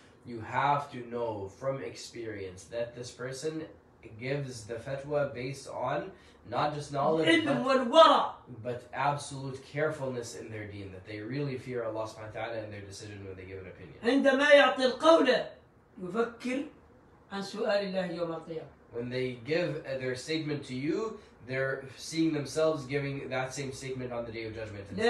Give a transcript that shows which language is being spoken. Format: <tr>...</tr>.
<en>You have to know from experience that this person gives the fatwa based on not just knowledge, but absolute carefulness in their deen, that they really fear Allah subhanahu wa ta'ala in their decision when they give an opinion.</en> <ar>عندما يعطي القول يفكر عن سؤال الله يوم القيامة.</ar> <en>When they give their statement to you, they're seeing themselves giving that same statement on the Day of Judgment.</en>